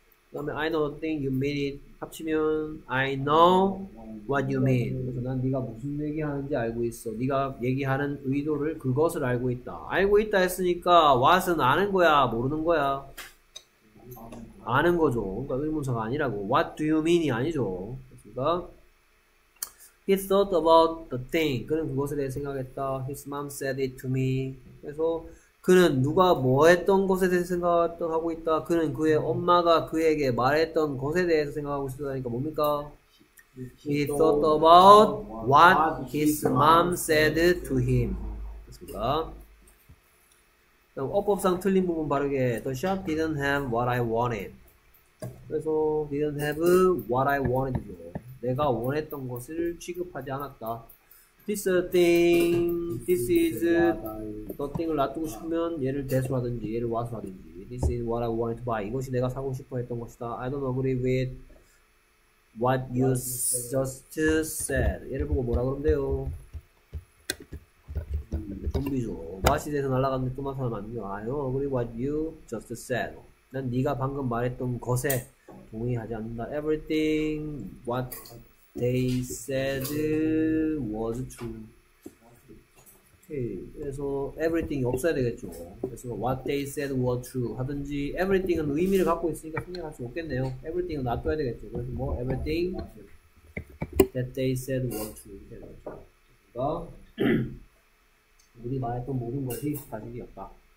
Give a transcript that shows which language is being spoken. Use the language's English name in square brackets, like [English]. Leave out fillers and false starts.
[Korean] 그다음에 [English] I know the thing you mean it [Korean] 합치면 [English] I know what you mean. [Korean] 그래서 난 네가 무슨 얘기하는지 알고 있어. 네가 얘기하는 의도를 그것을 알고 있다. 알고 있다 했으니까 what은 아는 거야, 모르는 거야. 아는 거죠. 그러니까 의문사가 아니라고. [English] What do you mean [Korean] 이 아니죠. 그러니까 [English] he thought about the thing. [Korean] 그는 그것에 대해 생각했다. [English] His mom said it to me. [Korean] 그래서 그는 누가 뭐 했던 것에 대해 생각했던 하고 있다. 그는 그의 엄마가 그에게 말했던 것에 대해서 생각하고 있었다니까 뭡니까? [English] He thought about what his mom said to him. [Korean] 됐습니까? 어법상 틀린 부분 바르게. [English] The shop didn't have what I wanted. [Korean] 그래서 [English] didn't have what I wanted. [Korean] 내가 원했던 것을 취급하지 않았다. [English] This thing, this is the thing [Korean] 을 놔두고 싶으면 얘를 대수라든지 얘를 와수라든지. [English] This is what I wanted to buy. [Korean] 이것이 내가 사고 싶어 했던 것이다. [English] I don't agree with what you just said. [Korean] 얘를 보고 뭐라 그런대요? 좀비죠. 맛이 돼서 날아갔는데 또 맛을 만든다. [English] I don't agree what you just said. [Korean] 난 네가 방금 말했던 것에 동의하지 않는다. [English] Everything what they said was true. Okay. [Korean] 그래서 everything이 없어야 되겠죠. 그래서 [English] what they said was true [Korean] 하든지 everything은 의미를 갖고 있으니까 생략할 수 없겠네요. Everything은 놔둬야 되겠죠. 그래서 뭐 [English] everything that they said was true. [Korean] 그러니까 우리 말했던 모든 것이 사실이었다.